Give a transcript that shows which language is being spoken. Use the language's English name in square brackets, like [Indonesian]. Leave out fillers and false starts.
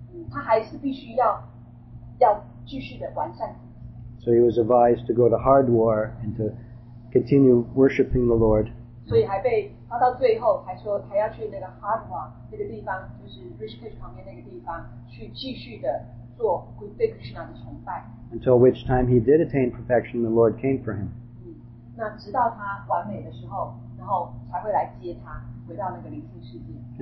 [Chinese] 他还是必须要继续的完善。 [English] So he was advised to go to Hardwar and to continue worshiping the Lord. [Chinese] 所以还被他到最后还说还要去那个 Hardwar 那个地方，就是 Rishikesh 旁边那个地方，去继续的做对 Krishna 的崇拜。 [English] Until which time he did attain perfection, the Lord came for him. [Chinese] 那直到他完美的时候，然后才会来接他回到那个灵性世界。